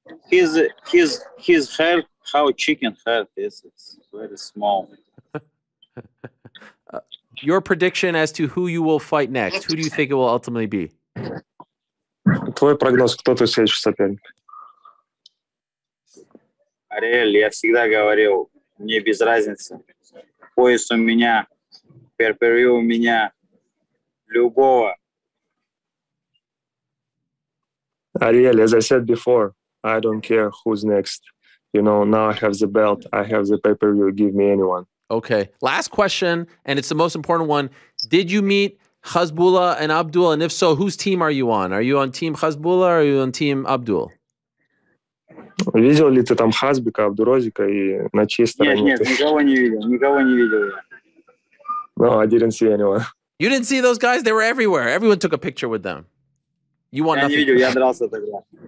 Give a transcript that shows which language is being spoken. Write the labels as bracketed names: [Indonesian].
[English] His heart, how chicken heart is, it's very small. Your prediction as to who you will fight next, who do you think it will ultimately be? [Russian] Твой прогноз, кто твой следующий соперник? Ариэль, я всегда говорил, мне без разницы. Пояс у меня, перперью у меня, любого. [English] Ариэль, as I said before, I don't care who's next. You know, now I have the belt, I have the pay-per-view, give me anyone. Okay, last question, and it's the most important one. Did you meet Hasbullah and Abdul? And if so, whose team are you on? Are you on team Hasbullah or are you on team Abdul? [Russian] Видел ли ты там Хазбика, Абдурозика и на чьей стороне? Нет, никого не видел. [English] No, I didn't see anyone. You didn't see those guys? They were everywhere. Everyone took a picture with them. You want nothing. [Russian] Я не видел, я дрался тогда.